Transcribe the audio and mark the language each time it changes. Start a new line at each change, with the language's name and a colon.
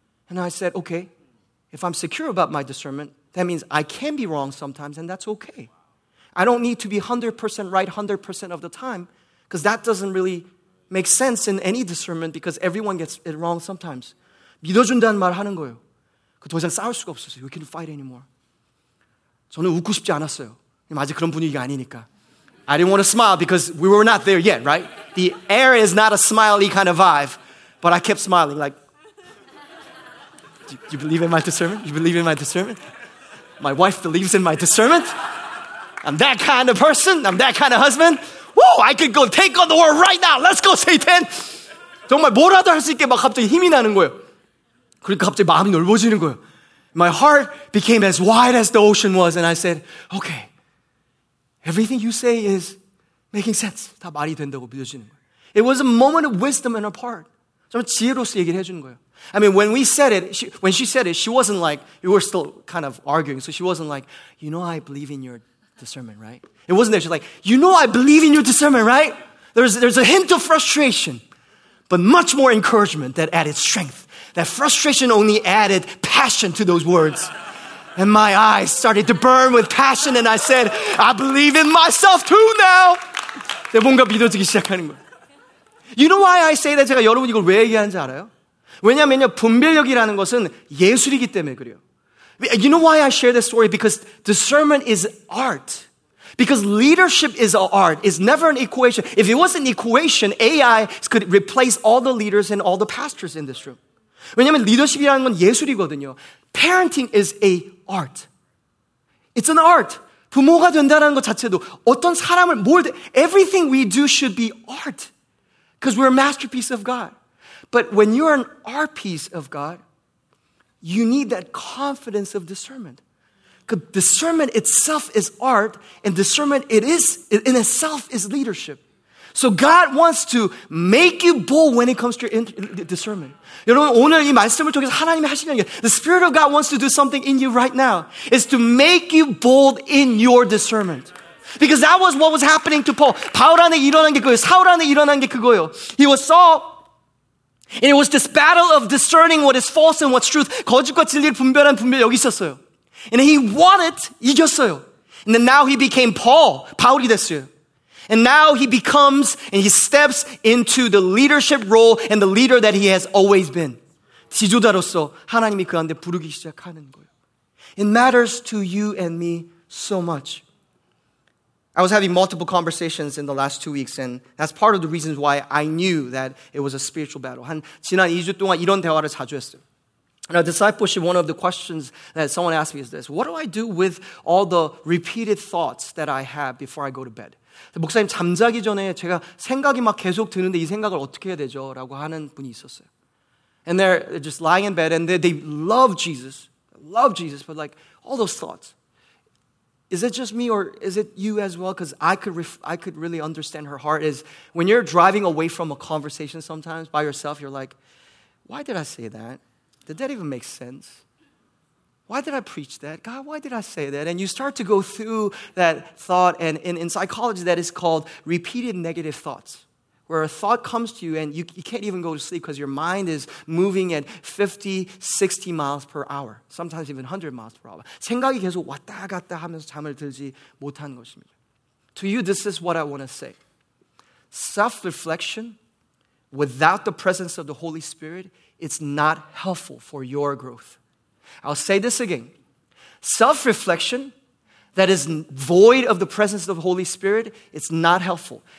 English: And I said, okay, if I'm secure about my discernment, that means I can be wrong sometimes and that's okay. I don't need to be 100% right 100% of the time because that doesn't really make sense in any discernment because everyone gets it wrong sometimes.
Korean: 믿어준다는 말 하는 거예요. 그 더 이상 싸울 수가 없었어요.
English: You can't fight anymore.
Korean: 저는 웃고 싶지 않았어요. 아직 그런 분위기가 아니니까.
English: I didn't want to smile because we were not there yet, right? The air is not a smiley kind of vibe, but I kept smiling like, you believe in my discernment? You believe in my discernment? My wife believes in my discernment? I'm that kind of person. I'm that kind of husband. Woo! I could go take on the world right now. Let's go, Satan!
Korean: 정말 뭐라도 할 수 있게 막 갑자기 힘이 나는 거예요. 그러니까 갑자기 마음이 넓어지는 거예요.
English: My heart became as wide as the ocean was, and I said, okay, everything you say is making sense.
Korean: 다 말이 된다고 믿어지는 거예요.
English: It was a moment of wisdom on her part.
Korean: 정말 지혜로서 얘기를 해주는 거예요.
English: I mean, when we said it, when she said it, she wasn't like, we were still kind of arguing, so she wasn't like, you know I believe in your discernment, right? It wasn't there. She's like, you know I believe in your discernment, right? There's a hint of frustration, but much more encouragement that added strength. That frustration only added passion to those words. And my eyes started to burn with passion, and I said, I believe in myself too now!
Korean: 내가 뭔가 믿어지기 시작하는 거예요.
English: You know why I say that?
Korean: 제가 여러분 이걸 왜 얘기하는지 알아요? 왜냐면요, 분별력이라는 것은 예술이기 때문에 그래요.
English: You know why I share this story? Because discernment is art. Because leadership is an art. It's never an equation. If it was an equation, AI could replace all the leaders and all the pastors in this room.
Korean: 왜냐면 리더십이라는 건 예술이거든요.
English: Parenting is an art. It's an art.
Korean: 부모가 된다는 것 자체도 어떤 사람을 뭘,
English: everything we do should be art. Because we're a masterpiece of God. But when you're an art piece of God, you need that confidence of discernment. Because discernment itself is art, and discernment it is in itself is leadership. So God wants to make you bold when it comes to discernment.
Korean: 여러분 오늘 이 말씀을 통해서 하나님이 하시는 게
English: The Spirit of God wants to do something in you right now is to make you bold in your discernment. Because that was what was happening to Paul.
Korean: 바울 안에 일어난 게 그거예요. 사울 안에 일어난 게 그거예요.
English: He was Saul. And it was this battle of discerning what is false and what's truth.
Korean: 거짓과 진리를 분별한 분별 여기 있었어요.
English: And he won it.
Korean: 이겼어요.
English: And then now he became Paul.
Korean: 바울이 됐어요.
English: And now he becomes and he steps into the leadership role and the leader that he has always been.
Korean: 지도자로서 하나님이 그 안에 부르기 시작하는 거예요.
English: It matters to you and me so much. I was having multiple conversations in the last 2 weeks and that's part of the reasons why I knew that it was a spiritual battle.
Korean: 한 지난 2주 동안 이런 대화를 자주 했어요.
English: And a discipleship, one of the questions that someone asked me is this. What do I do with all the repeated thoughts that I have before I go to bed?
Korean: 목사님, 잠자기 전에 제가 생각이 막 계속 드는데 이 생각을 어떻게 해야 되죠? 라고 하는 분이 있었어요.
English: And they're just lying in bed and they love Jesus, but like all those thoughts. Is it just me or is it you as well? Because I could really understand her heart is when you're driving away from a conversation sometimes by yourself, you're like, why did I say that? Did that even make sense? Why did I preach that? God, why did I say that? And you start to go through that thought. And in psychology, that is called repeated negative thoughts, where a thought comes to you and you can't even go to sleep because your mind is moving at 50, 60 miles per hour, sometimes even 100 miles per hour.
Korean: 생각이 계속 왔다 갔다 하면서 잠을 들지 못하는 것입니다.
English: To you, this is what I want to say. Self-reflection without the presence of the Holy Spirit, it's not helpful for your growth. I'll say this again. Self-reflection that is void of the presence of the Holy Spirit, it's not helpful.